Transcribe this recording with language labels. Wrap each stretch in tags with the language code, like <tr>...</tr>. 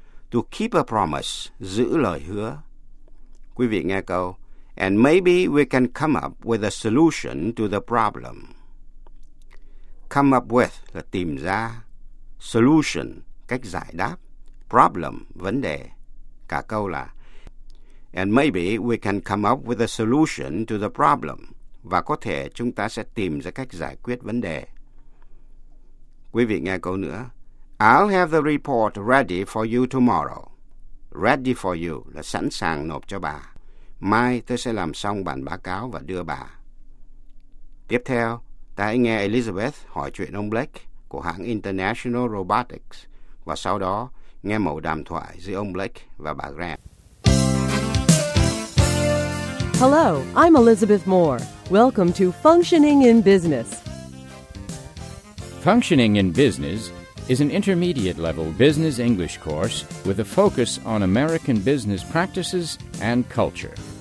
<en>To keep a promise,</en> <vi>giữ lời hứa. Quý vị nghe câu.</vi> <en>And maybe we can come up with a solution to the problem. Come up with</en> <vi>là tìm ra. Solution, cách giải đáp.</vi> <en>Problem,</en> <vi>vấn đề. Cả câu là</vi> <en>And maybe we can come up with a solution to the problem.</en> <vi>Và có thể chúng ta sẽ tìm ra cách giải quyết vấn đề. Quý vị nghe câu nữa.</vi> <en>I'll have the report ready for you tomorrow. Ready for you</en> <vi>là sẵn sàng nộp cho bà. Mai tôi sẽ làm xong bản báo cáo và đưa bà. Tiếp theo, ta hãy nghe Elizabeth hỏi chuyện ông Blake của hãng International Robotics. Và sau đó, nghe mẫu đàm thoại giữa ông Blake và bà Grant.</vi> <en>Hello, I'm Elizabeth Moore. Welcome to Functioning in Business. Functioning in Business is an intermediate-level business English course with a focus on American business practices and culture.</en>